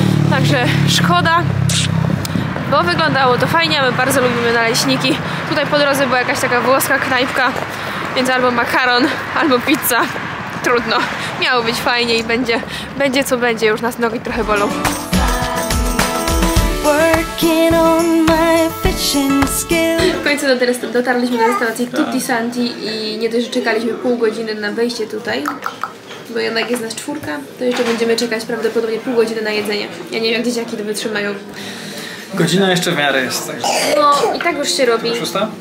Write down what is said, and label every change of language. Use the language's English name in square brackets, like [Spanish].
[Polish] Także szkoda, bo wyglądało to fajnie, my bardzo lubimy naleśniki. Tutaj po drodze była jakaś taka włoska knajpka, więc albo makaron, albo pizza. Trudno, miało być fajnie i będzie co będzie, już nas nogi trochę bolą. [English] Working on my fishing skills. [Polish] W końcu dotarliśmy do restauracji Tutti Santi i nie dość, że czekaliśmy pół godziny na wejście tutaj, bo jednak jest nas czwórka, to jeszcze będziemy czekać prawdopodobnie pół godziny na jedzenie. Ja nie wiem, jak dzieciaki to wytrzymają. Godzina jeszcze w miarę jest. Tak. No i tak już się robi. Szósta?